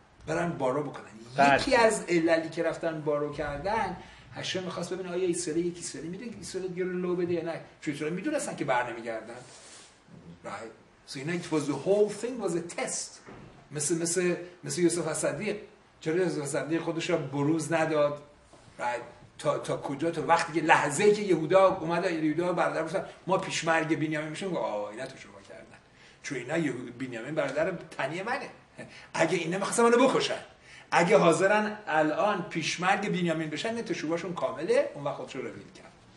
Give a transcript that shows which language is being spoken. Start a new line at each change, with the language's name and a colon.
Persian: برن بارو بکنن. یکی از عللی که رفتن بارو کردن هاشم میخواست ببینه آیا ایسرائیل یک ایسرائیلی میده که ایسرائیل گیره لو بده یا نه، چون ایسرائیل میدونستن که بر نمیگردن.
English: Right. So it was the whole thing was a test.
Persian: مثل یوسف صدیق. چرا یوسف صدیق خودش را بروز نداد؟ Right. تا کجا؟ تا وقتی که لحظه که یهودا اومد یهودا برادر بودن ما پیشمرگ بنیامین میشیم و آه اینا تو شما کردن، چون اینا بنیامین برادر تنی منه، اگه اینا میخواستن منو بکشن، اگه حاضرن الان پیشمرگ بنیامین بشن تو شوباشون کامله، اون وقت خودشو رو کرد.